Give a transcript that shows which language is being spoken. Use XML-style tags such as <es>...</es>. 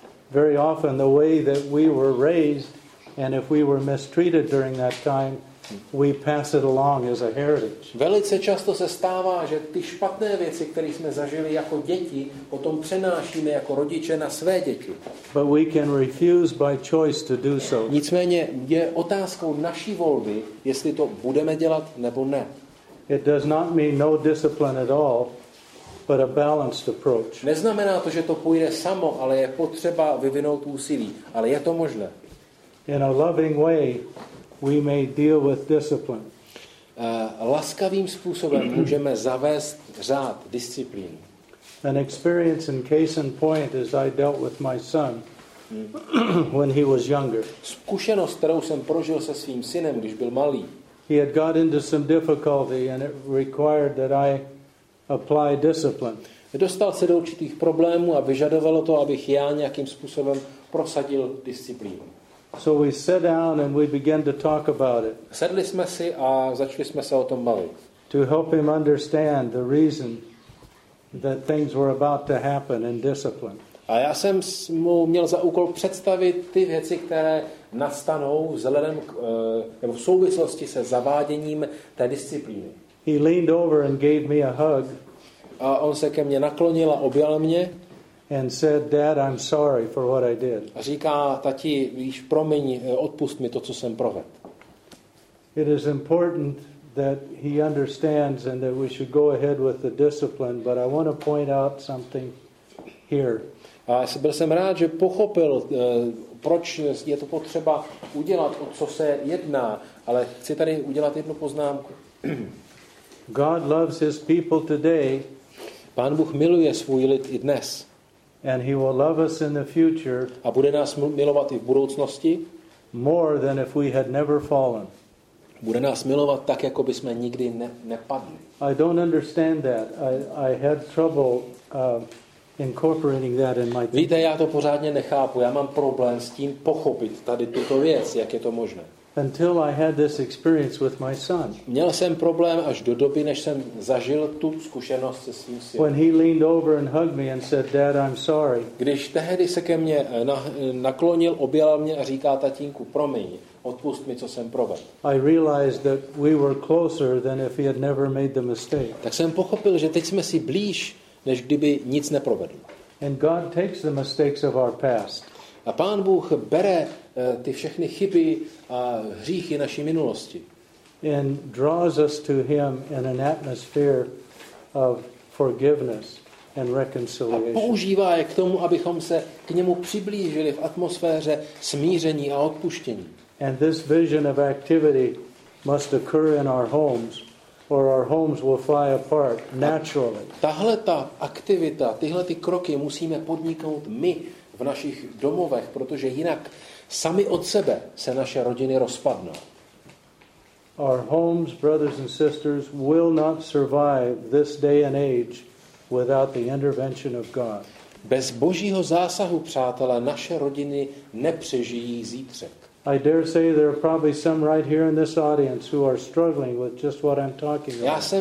<en>Very often the way that we were raised, and if we were mistreated during that time, we pass it along as a heritage.</en> <cs>Velice často se stává, že ty špatné věci, které jsme zažili jako děti, potom přenášíme jako rodiče na své děti.</cs> <en>But we can refuse by choice to do so.</en> <cs>Nicméně je otázkou naší volby, jestli to budeme dělat nebo ne.</cs> <en>It does not mean no discipline at all, but a balanced approach.</en> <cs>Neznamená to, že to půjde samo, ale je potřeba vyvinout úsilí, ale je to možné.</cs> <en>In a loving way, we may deal with discipline.</en> <cs>Laskavým způsobem můžeme zavést řád, disciplínu.</cs> <en>An experience in case in point is I dealt with my son when he was younger.</en> <cs>Zkušenost, kterou jsem prožil se svým synem, když byl malý.</cs> <en>He had got into some difficulty and it required that I apply discipline.</en> <cs>Dostal se do určitých problémů a vyžadovalo to, abych já nějakým způsobem prosadil disciplínu.</cs> <en>So we sat down and we began to talk about it.</en> <cs>Sedli jsme si a začali jsme se o tom bavit.</cs> <en>To help him understand the reason that things were about to happen in discipline.</en> <cs>A já jsem mu měl za úkol představit ty věci, které nastanou vzhledem k, nebo v souvislosti se zaváděním té disciplíny.</cs> <en>He leaned over and gave me a hug.</en> <cs>A on se ke mně naklonil a objal mě.</cs> <en>And said, "Dad, I'm sorry for what I did."</en> <cs>A říká, tati, víš, promiň, odpust mi to, co jsem provedl.</cs> <en>It is important that he understands and that we should go ahead with the discipline, but I want to point out something here.</en> <cs>A byl jsem rád, že pochopil, proč je to potřeba udělat, o co se jedná, ale chci tady udělat jednu poznámku.</cs> <en>God loves his people today.</en> <cs>Pán Bůh miluje svůj lid i dnes.</cs> <en>And he will love us in the future.</en> <cs>A bude nás milovat i v budoucnosti.</cs> <en>More than if we had never fallen.</en> <cs>Bude nás milovat tak, jako by jsme nikdy nepadli.</cs> <en>I don't understand that. I had trouble incorporating that in my.</en> <cs>Víte, já to pořádně nechápu. Já mám problém s tím pochopit tady tuto věc, jak je to možné.</cs> <en>Until I had this experience with my son.</en> <cs>Měl jsem problém až do doby, než jsem zažil tu zkušenost se svým synem.</cs> <en>When he leaned over and hugged me and said, "Dad, I'm sorry."</en> <cs>Když tehdy se ke mně naklonil, objal mě a říká, tatínku, promiň, odpust mi, co jsem provedl.</cs> <en>I realized that we were closer than if he had never made the mistake.</en> <cs>Tak jsem pochopil, že teď jsme si blíž, než kdyby nic neprovedl.</cs> <en>And God takes the mistakes of our past.</en> <cs>A Pán Bůh bere ty všechny chyby a hříchy naší minulosti.</cs> <en>And draws us to him in an atmosphere of forgiveness and reconciliation.</en> <cs>A používá je k tomu, abychom se k němu přiblížili v atmosféře smíření a odpuštění.</cs> <en>And this vision of activity must occur in our homes, or our homes will fly apart naturally.</en> <cs>Tahle ta aktivita, tyhle ty kroky musíme podniknout my v našich domovech, protože jinak sami od sebe se naše rodiny rozpadnou.</cs> <en>Our homes, brothers and sisters, will not survive this day and age without the intervention of God.</en> <cs>Bez Božího zásahu, přátelé, naše rodiny nepřežijí zítřek.</cs> <en>I dare say there are probably some right here in this audience who are struggling with just what I'm talking about.</en>